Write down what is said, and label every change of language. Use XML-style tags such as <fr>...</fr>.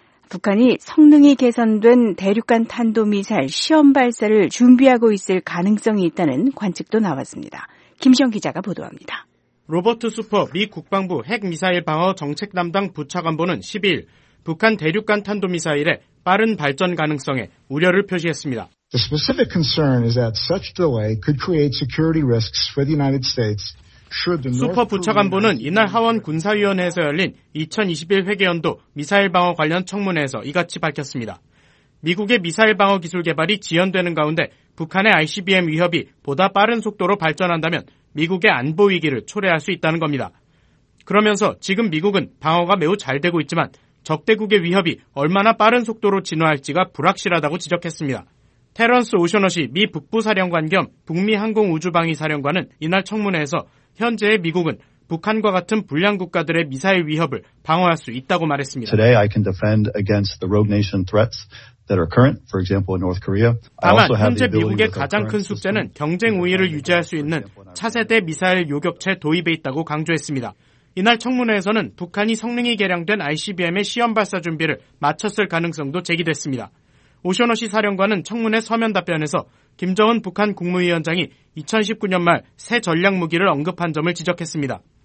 <ko>북한이 성능이 개선된 대륙간 탄도미사일 시험 발사를 준비하고 있을 가능성이 있다는 관측도 나왔습니다. 김시영 기자가 보도합니다. 로버트 슈퍼 미 국방부 핵미사일 방어 정책 담당 부차관보는 12일 북한 대륙간 탄도미사일의 빠른 발전 가능성에 우려를 표시했습니다.</ko> <en>The specific concern is that such delay could create security risks for the United States.</en> <ko>슈퍼 부차관보는 이날 하원 군사위원회에서 열린 2021 회계연도 미사일 방어 관련 청문회에서 이같이 밝혔습니다. 미국의 미사일 방어 기술 개발이 지연되는 가운데 북한의 ICBM 위협이 보다 빠른 속도로 발전한다면 미국의 안보 위기를 초래할 수 있다는 겁니다. 그러면서 지금 미국은 방어가 매우 잘 되고 있지만 적대국의 위협이 얼마나 빠른 속도로 진화할지가 불확실하다고 지적했습니다. 테런스 오셔너시 미 북부사령관 겸 북미항공우주방위사령관은 이날 청문회에서 현재의 미국은 북한과 같은 불량 국가들의 미사일 위협을 방어할 수 있다고 말했습니다.</ko> <en>Today I can defend against the rogue nation threats that are current, for example, in North Korea.</en> <ko>다만 현재 미국의 가장 큰 숙제는 경쟁 우위를 유지할 수 있는 차세대 미사일 요격체 도입에 있다고 강조했습니다. 이날 청문회에서는 북한이 성능이 개량된 ICBM의 시험 발사 준비를 마쳤을 가능성도 제기됐습니다. 오셔너시 사령관은 청문회 서면 답변에서 김정은 북한 국무위원장이 2019년 말 새 전략 무기를 언급한 점을 지적했습니다.</ko>